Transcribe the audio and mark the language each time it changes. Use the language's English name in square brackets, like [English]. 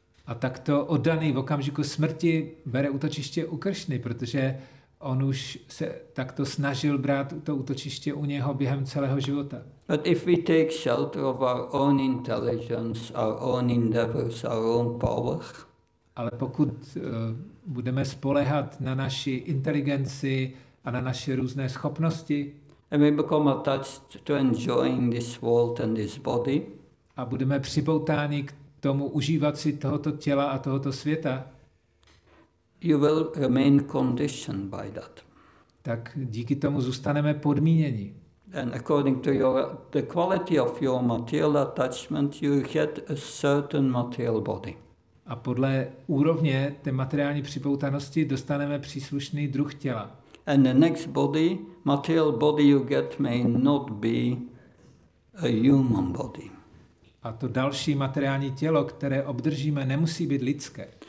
[Czech] A takto oddaný v okamžiku smrti bere útočiště u Krishny, protože on už se takto snažil brát to útočiště u něho během celého života. [English] But if we take shelter of our own intelligence, our own endeavors, our own power. [Czech] Ale pokud budeme spoléhat na naši inteligenci a na naše různé schopnosti, [English] and we become attached to enjoying this world and this body. [Czech] A budeme připoutáni k tomu užívat si tohoto těla a tohoto světa, [English] you will remain conditioned by that. [Czech] Tak díky tomu zůstaneme podmíněni. [English] And according to the quality of your material attachment, you get a certain material body. [Czech] A podle úrovně té materiální připoutanosti dostaneme příslušný druh těla. [English] and the next body, material body you get may not be a human body. [Czech] A to další materiální tělo, které obdržíme, nemusí být lidské.